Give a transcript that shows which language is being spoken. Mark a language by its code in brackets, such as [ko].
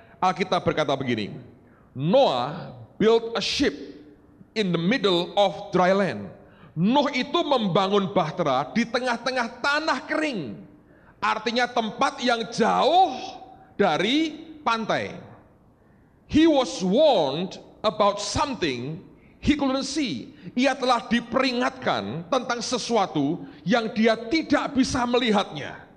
[id] Alkitab berkata begini, [en] Noah built a ship in the middle of dry land. [id] Nuh itu membangun bahtera di tengah-tengah tanah kering. Artinya tempat yang jauh dari pantai. [en] He was warned about something he couldn't see. [id] Ia telah diperingatkan tentang sesuatu yang dia tidak bisa melihatnya.